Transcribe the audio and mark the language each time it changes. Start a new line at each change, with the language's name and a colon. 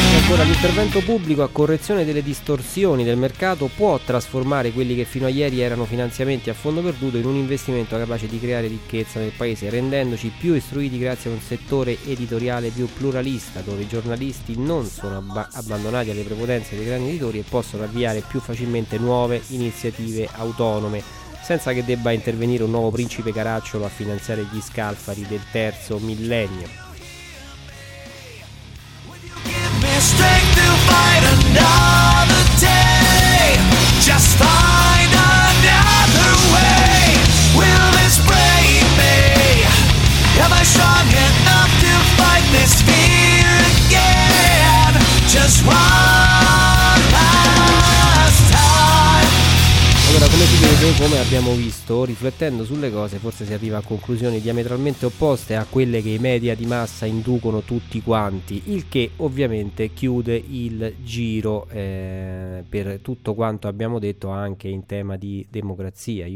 Italian: Ora, l'intervento pubblico a correzione delle distorsioni del mercato può trasformare quelli che fino a ieri erano finanziamenti a fondo perduto in un investimento capace di creare ricchezza nel paese, rendendoci più istruiti grazie a un settore editoriale più pluralista, dove i giornalisti non sono abbandonati alle prepotenze dei grandi editori e possono avviare più facilmente nuove iniziative autonome, senza che debba intervenire un nuovo principe caracciolo a finanziare gli scalfari del terzo millennio.
English: Strength to fight another day. Just find another way. Will this break me? Am I strong enough to fight this fear again? Just one last time.
Italian: Allora, come si vede, come abbiamo visto, riflettendo sulle cose, forse si arriva a conclusioni diametralmente opposte a quelle che i media di massa inducono tutti quanti, il che ovviamente chiude il giro per tutto quanto abbiamo detto anche in tema di democrazia.